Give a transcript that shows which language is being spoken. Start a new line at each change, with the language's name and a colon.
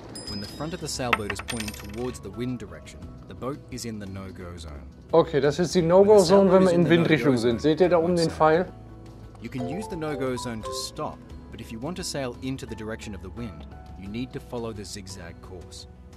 English: When the front of the sailboat is pointing towards the wind direction, the boat is in the No-Go-Zone.
German: Okay, das ist die No-Go-Zone, wenn wir in Windrichtung sind. Seht ihr da oben den Pfeil?
English: You can use the No-Go-Zone to stop, but if you want to sail into the direction of the wind, you need to follow the zigzag course.